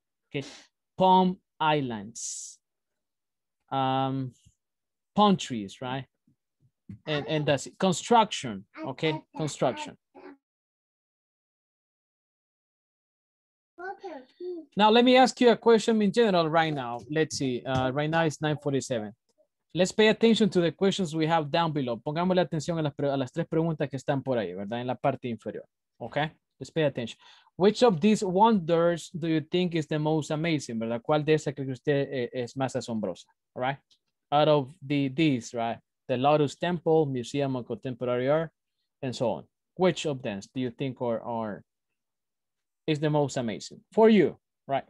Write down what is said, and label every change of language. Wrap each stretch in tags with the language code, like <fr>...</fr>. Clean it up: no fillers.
<en>Okay. Palm islands. Palm trees, right? And that's it. Construction, okay? Construction. Now, let me ask you a question in general right now. Let's see. Right now, it's 9:47. Let's pay attention to the questions we have down below.</en> <es>Pongámosle atención a las tres preguntas que están por ahí, ¿verdad? En la parte inferior. Okay?</es> <en>Let's pay attention. Which of these wonders do you think is the most amazing, ¿verdad?</en> <es>¿Cuál de esas cree que usted es más asombrosa?</es> <en>All right? Out of these, right? The Lotus Temple, Museum of Contemporary Art, and so on. Which of them do you think are is the most amazing for you, right?</en>